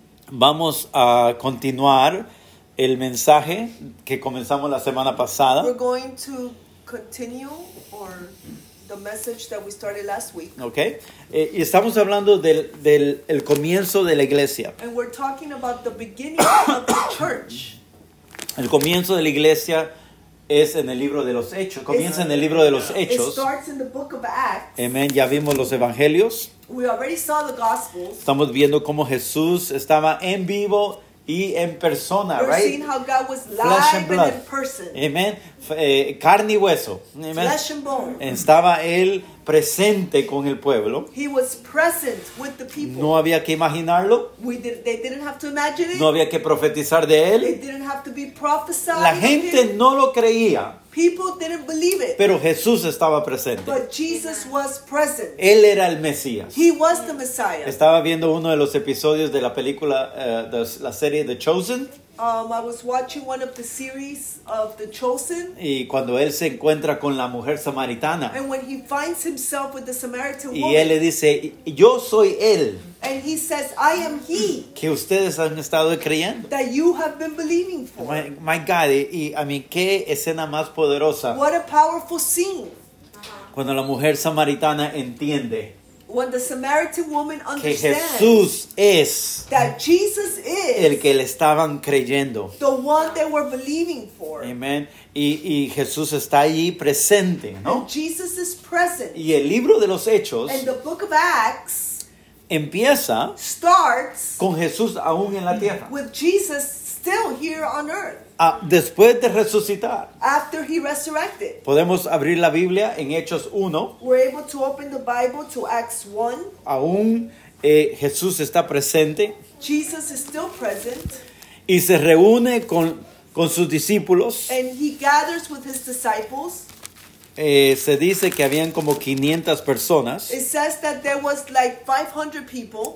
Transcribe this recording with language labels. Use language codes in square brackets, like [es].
[es] Vamos a continuar el mensaje que comenzamos la semana pasada. [en] We're going to continue or the message that we started last week. Okay. [es] Y estamos hablando del comienzo de la iglesia. [en] And we're talking about the beginning of the church. [es] El comienzo de la iglesia es en el libro de los Hechos. Comienza en el libro de los Hechos. [en] It starts in the book of Acts. Amen. [es] Ya vimos los evangelios. [en] We already saw the gospels. [es] Estamos viendo cómo Jesús estaba en vivo y en persona, [en] we're right? Seeing how God was live flesh and blood. And in person. [es] Amen. Carne y hueso. Amen. [en] Flesh and bone. [es] Estaba él presente con el pueblo. [en] He was present with the people. [es] No había que imaginarlo. [en] They didn't have to imagine it. [es] No había que profetizar de él. [en] They didn't have to be prophesied. [es] La gente [en] of him. [es] No lo creía. [en] People didn't believe it. [es] Pero Jesús estaba presente. [en] But Jesus was present. [es] Él era el Mesías. [en] He was the Messiah. [es] Estaba viendo uno de los episodios de la película, la serie The Chosen. [en] I was watching one of the series of The Chosen. [es] Y cuando él se encuentra con la mujer samaritana. [en] And when he finds himself with the Samaritan woman. [es] Y él le dice, yo soy él. [en] And he says, I am he. [es] Que ustedes han estado creyendo. [en] That you have been believing for. My God, [es] y a mí, qué escena más poderosa. [en] What a powerful scene. [es] Cuando la mujer samaritana entiende. [en] When the Samaritan woman understands [es] que Jesús es [en] that Jesus is [es] el que le estaban creyendo. [en] The one they were believing for. Amen. [es] Y Jesús está allí presente, ¿no? [en] And Jesus is present. [es] Y el libro de los Hechos [en] and the book of Acts [es] empieza [en] starts [es] con Jesús aún en la tierra. [en] With Jesus still here on earth. [es] Después de resucitar. [en] After he resurrected. [es] Podemos abrir la Biblia en Hechos 1. [en] We're able to open the Bible to Acts 1. [es] Aún Jesús está presente. [en] Jesus is still present. [es] Y se reúne con sus discípulos. [en] And he gathers with his disciples. [es] Se dice que habían como 500 personas. [en] It says that there was like 500 people.